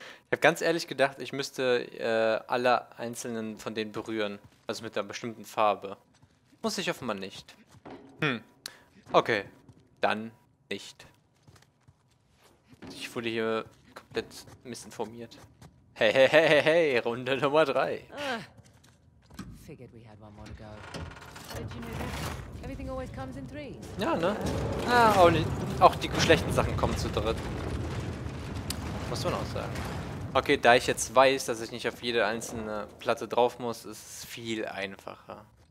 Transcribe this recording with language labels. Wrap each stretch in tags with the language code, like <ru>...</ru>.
<de>Ich habe ganz ehrlich gedacht, ich müsste alle einzelnen von denen berühren. Also mit einer bestimmten Farbe. Muss ich offenbar nicht. Hm. Okay. Dann nicht. Ich wurde hier komplett missinformiert. Hey, hey, hey, hey, hey, Runde Nummer 3.</de> <en>Figured we had one more to go. Everything always comes in threes.</en> <de>Ja, ne? Ah, auch die schlechten Sachen kommen zu dritt. Muss man auch sagen. Okay, da ich jetzt weiß, dass ich nicht auf jede einzelne Platte drauf muss, ist es viel einfacher.</de>